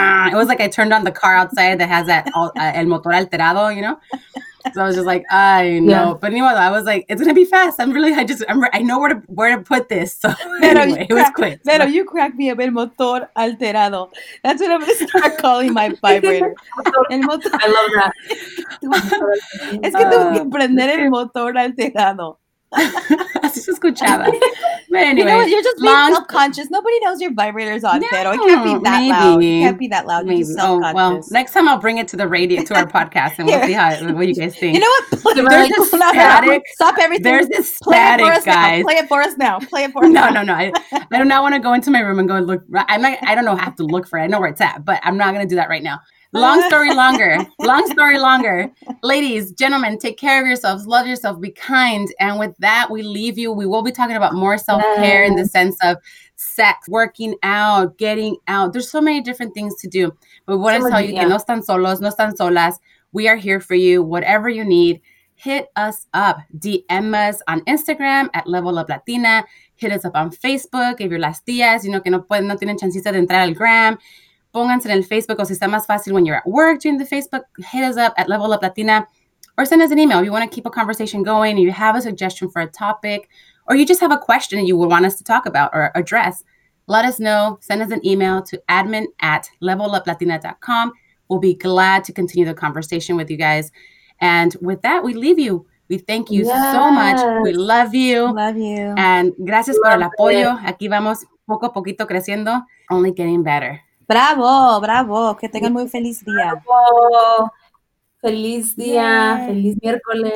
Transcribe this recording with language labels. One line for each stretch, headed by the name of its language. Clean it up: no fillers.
English: It was like I turned on the car outside that has that el motor alterado, you know? So I was just like, I know. Yeah. But anyway, I was like, it's going to be fast. I know where to put this. So anyway, it was quick.
Spanish: Pero
English: you crack me up, el motor alterado. That's what I'm going to start calling my vibrator. El motor. I love that.
Spanish: Es que tengo que prender el motor alterado. Así se escuchaba.
English: But anyway, you know what? You're just being self-conscious. Nobody knows your vibrator's on, Pedro. It can't be that loud. Maybe. You're just self-conscious. Oh, well, next time I'll bring it to the radio, to our podcast, and we'll see what you guys think. You know what? Stop everything. There's this static, guys. Play it for us now. Play it for us now. No. I do not want to go into my room and go and look. I don't know. I have to look for it. I know where it's at, but I'm not going to do that right now. Long story longer. Ladies, gentlemen, take care of yourselves. Love yourself. Be kind. And with that, we leave you. We will be talking about more self-care in the sense of sex, working out, getting out. There's so many different things to do. But what I tell you, no están solos, no están solas. We are here for you. Whatever you need, hit us up. DM us on Instagram at Level of Latina. Hit us up on Facebook. If you're las tías, you know,
Spanish: que no tienen chancita de entrar al gram. Pónganse en el Facebook, o si está más fácil
English: when you're at work during the Facebook, hit us up at Level Up Latina, or send us an email. If you want to keep a conversation going, you have a suggestion for a topic, or you just have a question you would want us to talk about or address, let us know. Send us an email to admin@leveluplatina.com. We'll be glad to continue the conversation with you guys. And with that, we leave you. We thank you so much. We love you. Love you.
Spanish: And gracias por el apoyo. Aquí vamos poco a poquito creciendo,
English: only getting better.
Spanish: Bravo, bravo. Que tengan muy feliz día. Bravo. Feliz día. Yay. Feliz miércoles.